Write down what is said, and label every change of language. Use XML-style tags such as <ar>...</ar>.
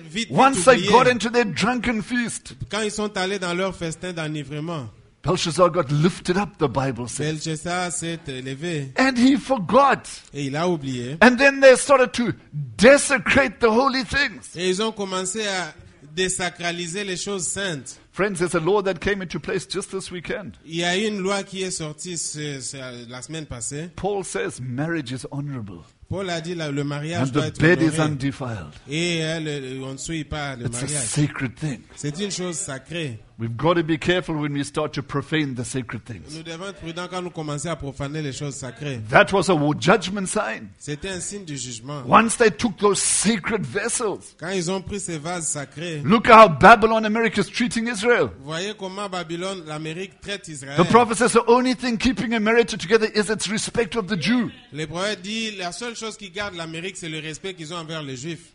<en>Once they got into their drunken feast, Belshazzar got lifted up, the Bible says. And he forgot. And then they started to desecrate the holy things.</en> <fr>Désacraliser les choses saintes.</fr> <en>Friends, there's a law that came into place just this weekend.</en> <fr>Il y a une loi qui est sortie la semaine passée.</fr> <en>Paul says marriage is honorable.</en> <fr>Paul a dit le mariage doit être honoré.</fr> <en>And the bed is undefiled.</en> <fr>Et on ne souille pas le mariage.</fr> <en>It's a sacred thing.</en> <fr>C'est une chose sacrée.</fr> <en>We've got to be careful when we start to profane the sacred things.</en> <fr>Nous devons être prudents quand nous commençons à profaner les choses sacrées.</fr> <en>That was a judgment sign.</en> <fr>C'était un signe du jugement.</fr> <en>Once they took those sacred vessels.</en> <fr>Quand ils ont pris ces vases sacrés.</fr> <en>Look how Babylon America is treating Israel.</en> <fr>Voyez comment Babylon l'Amérique traite Israël.</fr> <en>The prophet says the only thing keeping America together is its respect of the Jew.</en> <fr>Le prophète dit la seule chose qui garde l'Amérique c'est le respect qu'ils ont envers les Juifs.</fr>